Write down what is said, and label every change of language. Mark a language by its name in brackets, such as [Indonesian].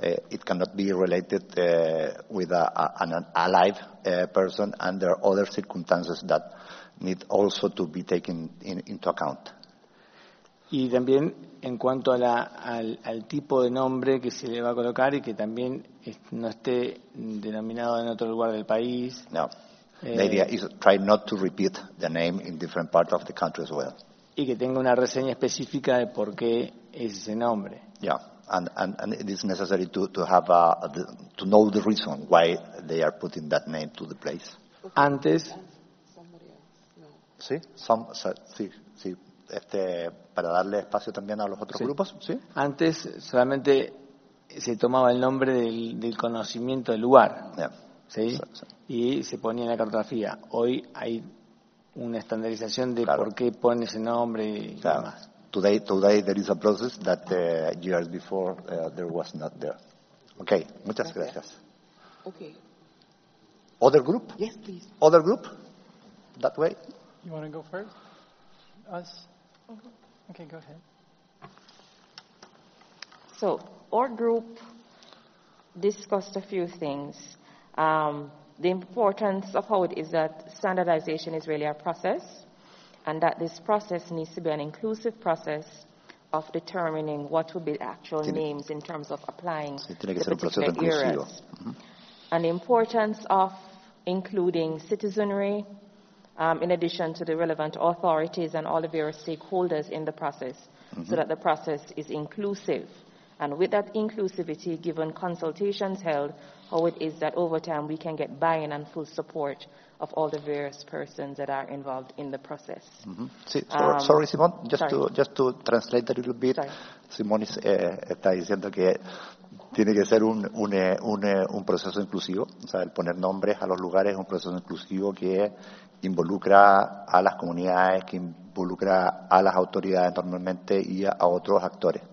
[English] It cannot be related with an alive person, and there are other circumstances that need also to be taken into account. [Spanish] Y también en cuanto a al tipo de nombre que se le va a colocar y que también no esté denominado en otro lugar del país. No. [English] The idea is to try not to repeat the name in different parts of the country as well. [Spanish] Y que tenga una reseña específica de por qué es ese nombre. [English] Yeah. And it is necessary to know the reason why they are putting that name to the place. [Spanish] Antes. Sí, para darle espacio también a los otros grupos. Sí. Antes solamente se tomaba el nombre del conocimiento del lugar. [English] Yeah. [Spanish] Sí. Y se ponía en la cartografía. Hoy hay una estandarización de por qué pone ese nombre y demás. [English] Today there is a process that years before there was not there. [Spanish] Okay, muchas gracias. [English] Okay. Other group? Yes, please. Other group? That way? You want to go first? Us? Mm-hmm. Okay, go ahead. So, our group discussed a few things. The importance of how it is that standardization is really a process, and that this process needs to be an inclusive process of determining what will be the actual names in terms of applying the eras. Mm-hmm. And the importance of including citizenry in addition to the relevant authorities and all the various stakeholders in the process, mm-hmm. so that the process is inclusive. And with that inclusivity, given consultations held, how it is that over time we can get buy-in and full support of all the various persons that are involved in the process. Mm-hmm. Sí, sorry, Simón, just to translate a little bit. [Spanish] Simón está diciendo que tiene que ser un proceso inclusivo, o sea, el poner nombres a los lugares es un proceso inclusivo que involucra a las comunidades, que involucra a las autoridades normalmente y a otros actores.